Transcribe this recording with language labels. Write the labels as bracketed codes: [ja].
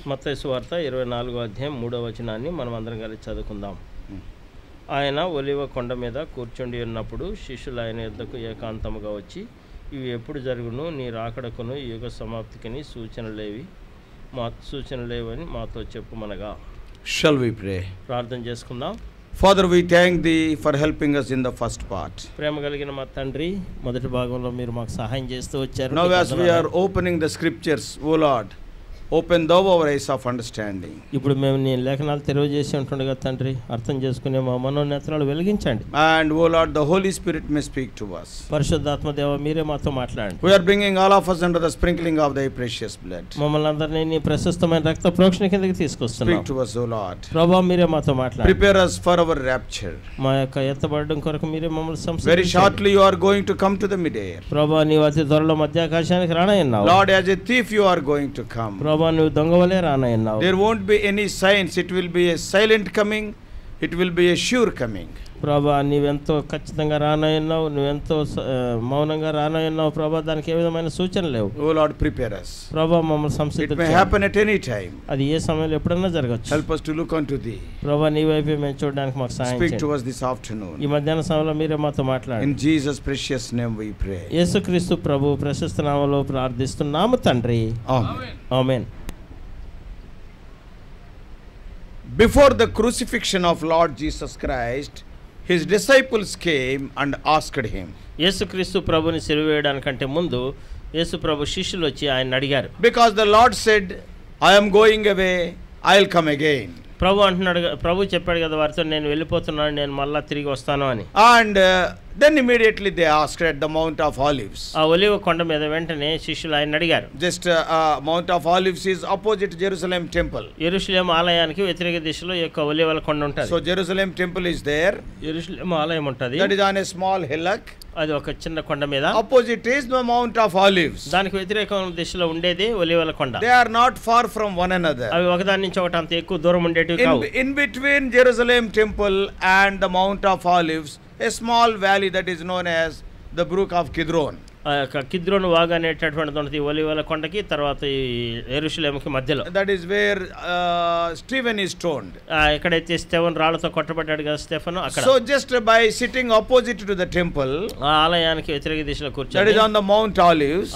[te] మత్తయి సువార్త 24:3 మనం అందరం కలిసి చదువుకుందాం. ఆయన ఒలివ కొండ మీద కూర్చుండి ఉన్నప్పుడు శిష్యులు ఆయన యొద్దకు ఏకాంతముగా వచ్చి, ఇవి ఎప్పుడు జరుగును, నీ రాకడకును, యుగ సమాప్తికి సూచనలేవి సూచనలేవని మాతో చెప్పుమనగా. [en] Shall we pray? [te] ప్రార్థన చేసుకుందాం. [en] Father, we thank thee for helping us in the first part. [te] ప్రేమ కలిగిన మా తండ్రి, మొదటి భాగంలో మీరు మాకు సహాయం చేస్తూ వచ్చారు. [en] Now as we are opening the scriptures, O Lord, open thou our eyes of understanding. [te] ఇప్పుడు మేము నీ లేఖనాలు తెలియజేసి ఉంటుండగా తండ్రి, అర్థం చేసుకునే మా మనోనేత్రాలు వెలిగించండి. [en] And O Lord, the Holy Spirit may speak to us. [te] పరిశుద్ధాత్మ దేవ మీరే మాతో మాట్లాడండి. [en] We are bringing all of us under the sprinkling of thy precious blood. [te] మమ్మల్ని అందరినీ నీ ప్రశస్తమైన రక్త ప్రోక్షణ కిందకి తీసుకొస్తున్నావు. [en] Speak to us, O Lord. [te] ప్రభు మీరే మాతో మాట్లాడండి. [en] Prepare us for our rapture. [te] మా యొక్క ఎత్తబడడం కొరకు మీరే మమ్మల్ని సంస్కరించండి. [en] Very shortly you are going to come to the midair. [te] ప్రభు నీవు అతి త్వరలో మధ్యాకాశానికి రానయ్యన్నావు. [en] Lord, as a thief you are going to come. [te] ప్రభువు దొంగవలే రానయ్యన్నావు. [en] There won't be any signs. It will be a silent coming. It will be a sure coming. [te] ప్రభా నీవెంతో ఖచ్చితంగా రానయ్యన్నావు, నువ్వెంతో మౌనంగా రానయ్యన్నావు ప్రభా, దానికి ఏ విధమైన సూచన లేవు. [en] O lord prepare us [te] ప్రభా, మమ్మల్ని సంసిద్ధం చేయి. [en] it may happen at any time, [te] అది ఏ సమయంలో ఎప్పుడైనా జరగవచ్చు. [en] help us to look on to thee [te] ప్రభా, నీ వైపే మేము చూడడానికి మాకు సహాయం చేయి. [en] speak to us this afternoon, [te] ఈ మధ్యాహ్న సమయంలో మీరే మాతో మాట్లాడండి. [en] In Jesus precious name we pray. [te] యేసుక్రీస్తు ప్రభు ప్రశస్త నామములో ప్రార్థిస్తున్నాము తండ్రి. ఆమేన్, ఆమేన్. [en] Before the crucifixion of Lord Jesus Christ, his disciples came and asked him. [te] యేసు క్రీస్తు ప్రభుని సిలువేయడానికంటే ముందు యేసు ప్రభు శిష్యులు వచ్చి ఆయన అడిగారు. [en] Because the Lord said, I am going away, I'll come again. [te] ప్రభు అంటున్నాడు, ప్రభు చెప్పాడు కదా వారితో, నేను వెళ్ళిపోతున్నాను, నేను మళ్ళీ తిరిగి వస్తాను అని. [en] And then immediately they asked at the Mount of Olives. [te] ఆ ఒలివ కొండ మీద వెంటనే శిష్యులు ఆయన అడిగారు. [en] Just Mount of Olives is opposite Jerusalem temple. [te] యెరూషలేము ఆలయానికి వ్యతిరేక దిశలో ఒక ఒలివల కొండ ఉంటుంది. [en] so Jerusalem temple is there, [te] యెరూషలేము ఆలయం ఉంటుంది. [en] that is on a small hillock, [te] అది ఒక చిన్న కొండ మీద. [en] opposite is the Mount of Olives, [te] దానికి వ్యతిరేక దిశలో ఉండేది ఒలివల కొండ. [en] they are not far from one another, [te] అవి ఒకదాని నుంచి ఒకటి అంత ఎక్కువ దూరం ఉండేటివి కావు. [en] In between Jerusalem temple and the Mount of Olives, a small valley that is known as the brook of Kidron. [te] ఆ కిద్రోను వాగు అనేటటువంటిది ఉన్నది ఒలివల కొండకి తర్వాత ఈ యెరూషలేముకి మధ్యలో. [en] That is where Steven is stoned. [te] ఎక్కడైతే స్టీవెన్ రాళ్లతో కొట్టబడ్డాడు కదా స్టీఫెన్, అక్కడ. [en] so just by sitting opposite to the temple, [te] ఆ ఆలయానికి వ్యతిరేక దిశలో కూర్చొని. [en] that is on the Mount Olives,